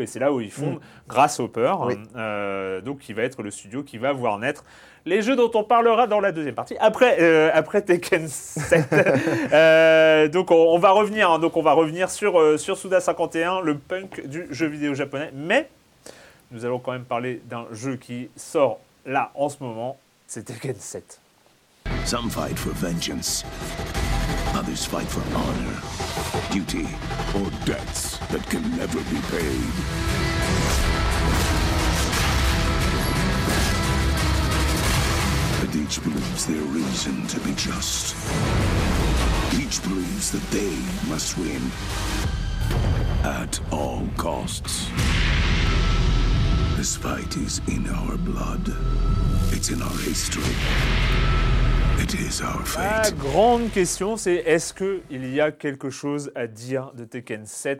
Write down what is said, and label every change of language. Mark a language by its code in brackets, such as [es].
[fr] Et c'est là où il fonde Grasshopper, donc qui va être le studio qui va voir naître les jeux dont on parlera dans la deuxième partie. Après Tekken 7, donc on va revenir, sur Suda51, le punk du jeu vidéo japonais. Mais nous allons quand même parler d'un jeu qui sort là en ce moment, c'est Tekken 7. [en] Some fight for vengeance. Others fight for honor, duty, or debts that can never be paid. And each believes their reason to be just. Each believes that they must win at all costs. This fight is in our blood. It's in our history. [fr] La grande question, c'est est-ce qu'il y a quelque chose à dire de Tekken 7 ?